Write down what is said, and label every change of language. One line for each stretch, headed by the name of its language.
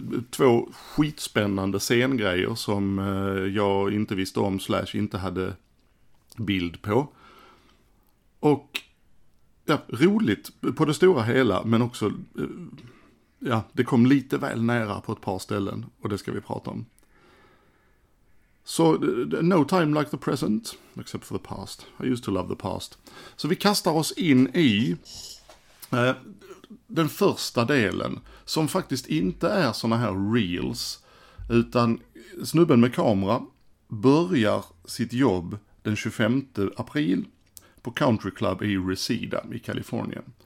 Swedish: Två skitspännande scengrejer som jag inte visste om / inte hade bild på. Och ja, roligt på det stora hela, men också Ja, det kom lite väl nära på ett par ställen och det ska vi prata om.
English: Så, no time like the present, except for the past. I used to love the past.
Swedish: Så vi kastar oss in i den första delen, som faktiskt inte är såna här reels, utan snubben med kamera börjar sitt jobb den 25 april på Country Club i Reseda i Kalifornien.